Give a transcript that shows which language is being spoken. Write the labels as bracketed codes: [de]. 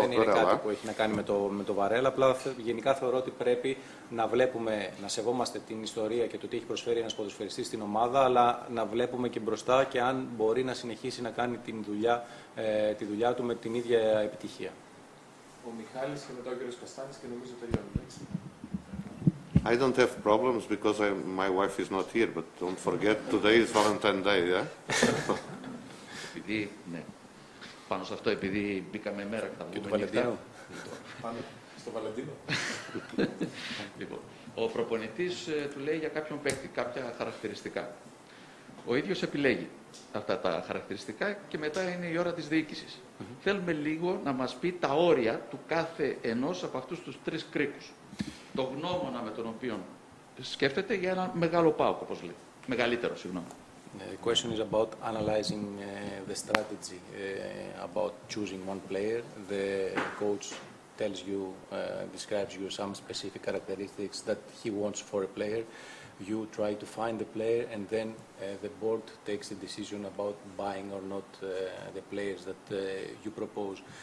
[el] δεν είναι κάτι που έχει να κάνει με το Βαρέλα. Απλά γενικά θεωρώ ότι πρέπει να βλέπουμε, να σεβόμαστε την ιστορία και το τι έχει προσφέρει ένας ποδοσφαιριστής στην ομάδα, αλλά να βλέπουμε και μπροστά και αν μπορεί να συνεχίσει να κάνει την δουλειά, τη δουλειά του με την ίδια επιτυχία. Ο Μιχάλης και μετά ο κ. Καστάνης και νομίζω τελειώνουμε. [en] I don't have problems because my wife is not here, but don't forget, today is Valentine's Day, yeah? [el] Πάνω σε αυτό, επειδή μπήκαμε μέρα και θα βγούμε νύχτα. Πάνε στο Βαλεντίνο. Λοιπόν, ο προπονητής του λέει για κάποιον παίκτη κάποια χαρακτηριστικά. Ο ίδιος επιλέγει αυτά τα χαρακτηριστικά και μετά είναι η ώρα της διοίκησης. Mm-hmm. Θέλουμε λίγο να μας πει τα όρια του κάθε ενός από αυτούς τους τρεις κρίκους. Το γνώμονα με τον οποίο σκέφτεται για ένα μεγάλο ΠΑΟΚ, όπως λέει. Μεγαλύτερο, συγγνώμη. [en] The question is about analyzing the strategy, about choosing one player. The coach tells you, describes you some specific characteristics that he wants for a player. You try to find the player and then the board takes the decision about buying or not the players that you propose.